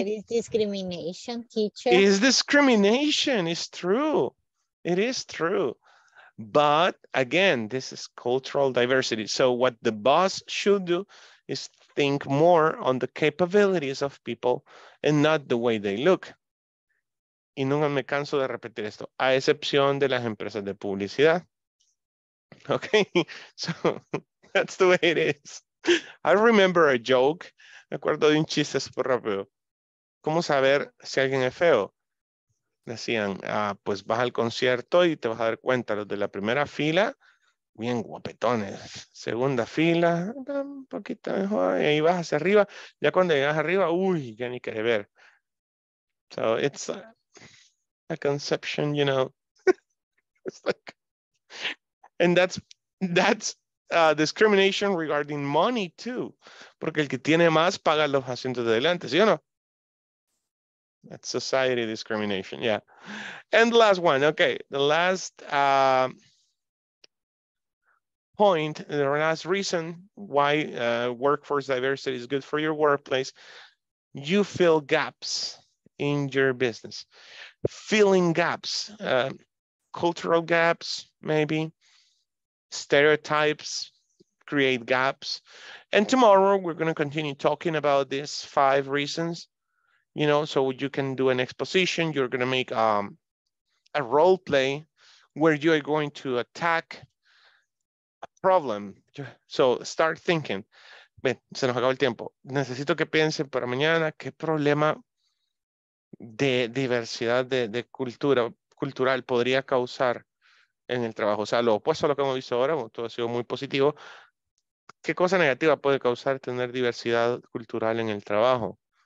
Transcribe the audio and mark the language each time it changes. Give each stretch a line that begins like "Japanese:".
English: it is discrimination, teacher. It is discrimination. It's true. It is true. But again, this is cultural diversity. So what the boss should do is think more on the capabilities of people and not the way they look.
Spanish: Y nunca me canso de repetir esto, a excepción de las empresas de publicidad.
English: Okay, so that's the way it is. I remember a joke.
Spanish: Me acuerdo de un chiste super rápido. ¿Cómo saber si alguien es feo? Decían, ah, pues vas al concierto y te vas a dar cuenta. Los de la primera fila, bien guapetones. Segunda fila, un poquito mejor. Y ahí vas hacia arriba. Ya cuando llegas arriba, uy, ya ni querés ver.
English: So it's a conception, you know. It's like, and that's discrimination regarding money too.
Spanish: Porque el que tiene más paga los asientos de adelante, ¿sí o no?
English: That's society discrimination, yeah. And the last one, okay. The last point, the last reason why workforce diversity is good for your workplace, you fill gaps in your business. Filling gaps, cultural gaps, maybe. Stereotypes create gaps. And tomorrow we're gonna continue talking about these five reasons. You know, so you can do an exposition. You're going to make a role play where you are going to attack a problem. So start thinking.
Spanish: Ven, se nos acabó el tiempo. Necesito que piensen para mañana qué problema de diversidad de cultura cultural podría causar en el trabajo. O sea, lo opuesto a lo que hemos visto ahora, todo ha sido muy positivo. ¿Qué cosa negativa puede causar tener diversidad cultural en el trabajo?